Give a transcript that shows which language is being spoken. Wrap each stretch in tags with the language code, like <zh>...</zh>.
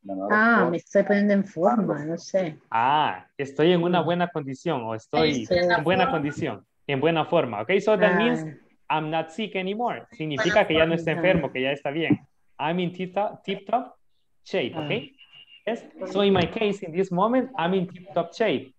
<es>Ah, me estoy poniendo en forma, no sé. Ah, estoy en una buena condición o estoy en buena condición, en buena forma.</es> <en>Okay, so that means I'm not sick anymore.</en> <es>Significa que ya no está enfermo, que ya está bien.</es> <en>I'm in tip-top shape, okay? Yes? So in my case, in this moment, I'm in tip-top shape.</en>